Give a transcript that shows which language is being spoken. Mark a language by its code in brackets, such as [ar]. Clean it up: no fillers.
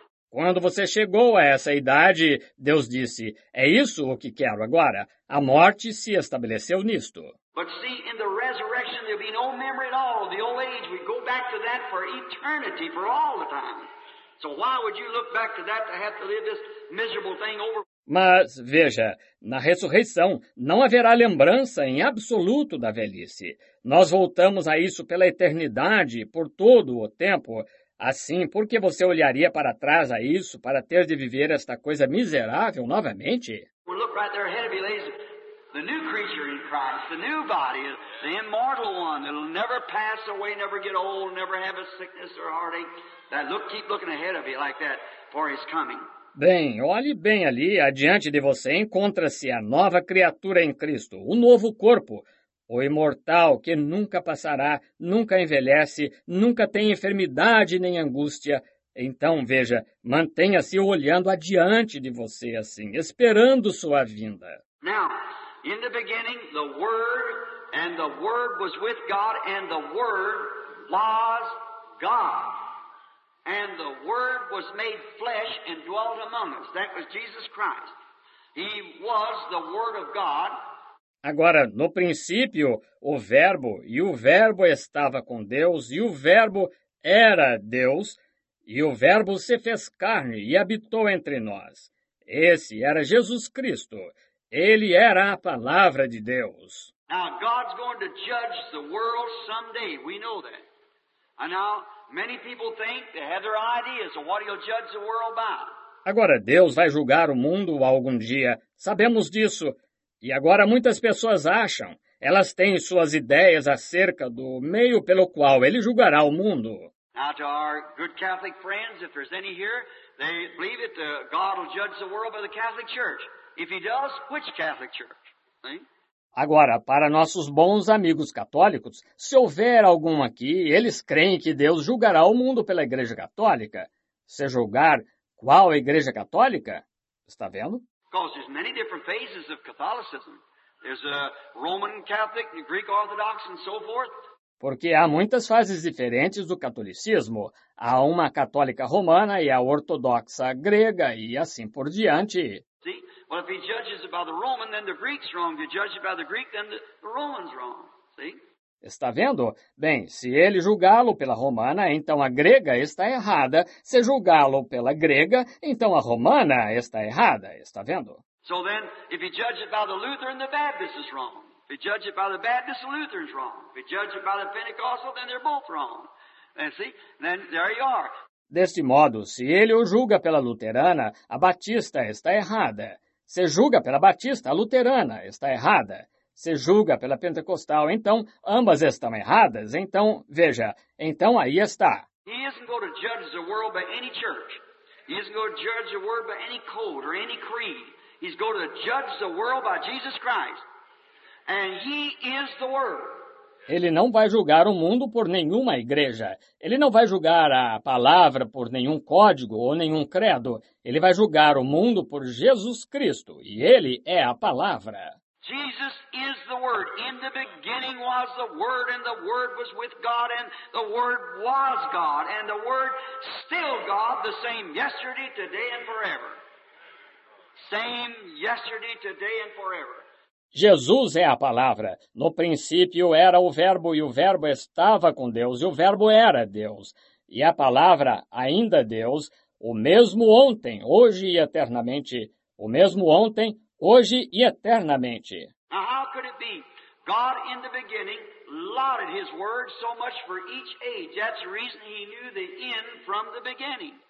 [pt] Quando você chegou a essa idade, Deus disse, é isso o que quero agora. A morte se estabeleceu nisto. [en] But see, in the resurrection, there'll be no memory at all. The old age, we go back to that for eternity, for all the time. So why would you look back to that to have to live this miserable thing over? [pt] Mas, veja, na ressurreição, não haverá lembrança em absoluto da velhice. Nós voltamos a isso pela eternidade, por todo o tempo. Assim, por que você olharia para trás a isso, para ter de viver esta coisa miserável novamente? [en] Well, look right there ahead of you, ladies. The new creature in Christ, the new body, the immortal one, that'll never pass away, never get old, never have a sickness or heartache. That look, keep looking ahead of you like that for his coming. [pt] Bem, olhe bem ali, adiante de você encontra-se a nova criatura em Cristo, o novo corpo, o imortal que nunca passará, nunca envelhece, nunca tem enfermidade nem angústia. Então, veja, mantenha-se olhando adiante de você assim, esperando sua vinda. [en] Now, in the beginning, the Word, and the Word was with God, and the Word was God. And the Word was made flesh and dwelt among us. That was Jesus Christ. He was the Word of God. [pt] Agora, no princípio, o Verbo, e o Verbo estava com Deus, e o Verbo era Deus, e o Verbo se fez carne e habitou entre nós. Esse era Jesus Cristo. Ele era a palavra de Deus. [en] Now, God's going to judge the world someday. We know that. And now, many people think they have their ideas of what he'll judge the world by. [pt] Agora, Deus vai julgar o mundo algum dia. Sabemos disso. E agora muitas pessoas acham, elas têm suas ideias acerca do meio pelo qual ele julgará o mundo. [en] Now to our good Catholic friends, if there's any here, they believe that God will judge the world by the Catholic Church. If he does, which Catholic Church? See? [pt] Agora, para nossos bons amigos católicos, se houver algum aqui, eles creem que Deus julgará o mundo pela Igreja Católica. Se julgar, qual Igreja Católica? Está vendo? [en] Because there's many different phases of Catholicism. There's a Roman Catholic, Greek Orthodox, and so forth. [pt] Porque há muitas fases diferentes do catolicismo. Há uma católica romana e a ortodoxa grega e assim por diante. [en] See? Well, if he judges about the Roman, then the Greek's wrong. If he judges about the Greek, then the Roman's wrong. See? [pt] Está vendo? Bem, se ele julgá-lo pela romana, então a grega está errada. Se julgá-lo pela grega, então a romana está errada. Está vendo? [en] So then, if he judges by the Lutheran, the Baptist is wrong. If he judges by the Baptist, the Lutheran's wrong. If he judges by the Pentecostal, then they're both wrong. And see? Then there you are. [pt] Deste modo, se ele o julga pela luterana, a batista está errada. Se julga pela batista, a luterana está errada. Se julga pela pentecostal, então ambas estão erradas. Então, veja, então aí está. [en] He isn't going to judge the world by any church. He isn't going to judge the world by any code or any creed. He's going to judge the world by Jesus Christ. And he is the Word. [pt] Ele não vai julgar o mundo por nenhuma igreja. Ele não vai julgar a palavra por nenhum código ou nenhum credo. Ele vai julgar o mundo por Jesus Cristo. E ele é a palavra. [en] Jesus is the Word. In the beginning was the Word, and the Word was with God, and the Word was God, and the Word still God, the same yesterday, today, and forever. Same yesterday, today, and forever. [pt] Jesus é a palavra. No princípio era o Verbo, e o Verbo estava com Deus, e o Verbo era Deus. E a palavra, ainda Deus, o mesmo ontem, hoje e eternamente. O mesmo ontem, hoje e eternamente. [en] Now, how could it be? God, in the beginning, lauded his word so much for each age. That's the reason he knew the end from the beginning.